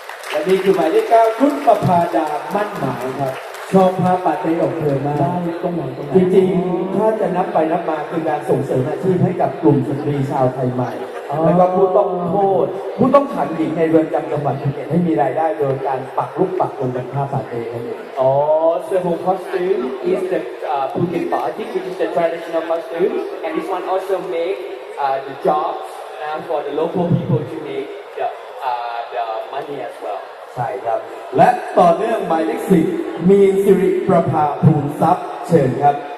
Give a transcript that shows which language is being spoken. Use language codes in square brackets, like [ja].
[th] และนี่คือหมายเลข9คุณประภาดามั่นหมายครับชอบภาพบาดใจออกเธอมาก ได้ต้อง ห วัง จริงๆถ้าจะนับไปนับมาคือการส่งเสริมอาชีพให้กับกลุ่มสตรีชาวไทยใหม่แล้วก็ผู้ต้องโทษผู้ต้องขังหญิงในเรือนจำจังหวัดภูเก็ตให้มีรายได้โดยการปักลูกปักตุ่มเป็นผ้าปาเต้นั่นเอง [en] อ๋อ The home costume is the Phuket party which is the traditional costume and this one also make the jobs now for the local people to make the money as well [th] ใช่ครับและต่อเนื่องหมายเลข10มีสิริประภาภูมิทรัพย์เชิญครับ